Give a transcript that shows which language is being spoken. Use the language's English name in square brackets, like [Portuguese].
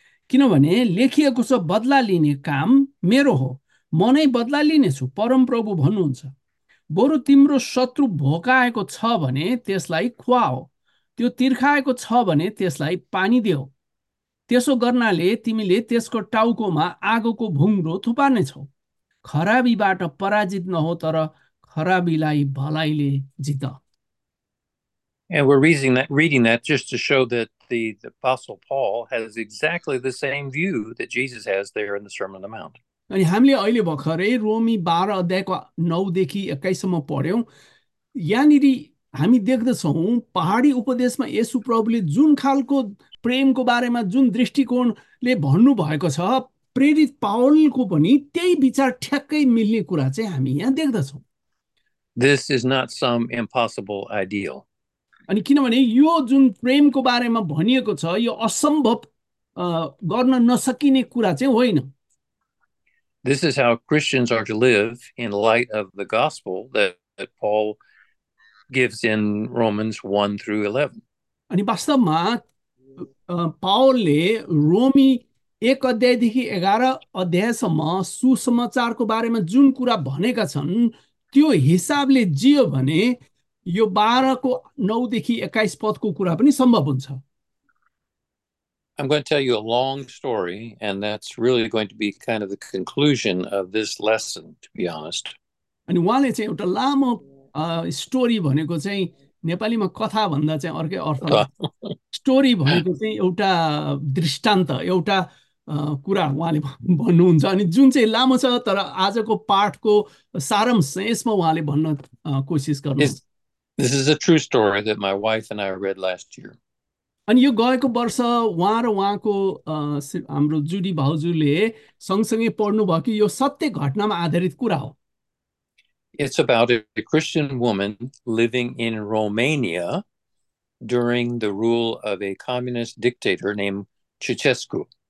[Nepali] किनभने लेखिएको छ बदला लिने काम मेरो हो, म नै बदला लिनेछु, परमप्रभु भन्नुहुन्छ, बरु तिम्रो शत्रु भोकाएको छ भने त्यसलाई खुवाओ, त्यो तिर्खाएको छ भने त्यसलाई पानी देऊ, त्यसो गर्नाले तिमीले त्यसको टाउकोमा आगोको भुङ्रो थुपार्नेछौ, खराबीबाट पराजित नहो तर खराबीलाई भलाइले जित। [English] And we're reading that just to show that the Apostle Paul has exactly the same view that Jesus has there in the Sermon on the Mount. [Nepali] अनि हामीले अहिले भर्खरै रोमी 12 अध्यायको 9 देखि 21 सम्म पढ्यौँ। यहाँनिर हामी देख्दछौँ पहाडी उपदेशमा येशु प्रभुले जुन खालको प्रेमको बारेमा जुन दृष्टिकोणले भन्नुभएको छ, प्रेरित पावलको पनि त्यही विचार ठ्याक्कै मिल्ने कुरा चाहिँ हामी यहाँ देख्दछौँ। [English] This is not some impossible ideal. [Nepali] अनि किनभने यो जुन प्रेमको बारेमा भनिएको छ यो असम्भव गर्न नसकिने कुरा चाहिँ होइन। [English] This is how Christians are to live in light of the gospel that Paul gives in Romans 1 through 11. [Nepali] अनि वास्तवमा पावलले रोमी 1 अध्यायदेखि 11 अध्यायसम्म सुसमाचारको बारेमा जुन कुरा भनेका छन् त्यो हिसाबले जियो भने यो 12 को 9 देखि 21 पदको कुरा पनि सम्भव हुन्छ। [English] I'm going to tell you a long story, and that's really going to be kind of the conclusion of this lesson, to be honest. [Nepali] अनि उहाँले चाहिँ एउटा लामो स्टोरी भनेको चाहिँ नेपालीमा कथा भन्दा चाहिँ अर्कै अर्थ, स्टोरी भनेको चाहिँ एउटा दृष्टान्त, एउटा कुरा उहाँले भन्नुहुन्छ, अनि जुन चाहिँ लामो छ तर आजको पाठको सारांश यसमा उहाँले भन्न कोसिस गर्नुहोस्। [English] This is a true story that my wife and I read last year. [Nepali] अनि यो गएको वर्ष उहाँ र उहाँको हाम्रो जुडी भाउजूले सँगसँगै पढ्नुभयो कि यो सत्य घटनामा आधारित कुरा हो। [English] It's about a Christian woman living in Romania during the rule of a communist dictator named Ceausescu.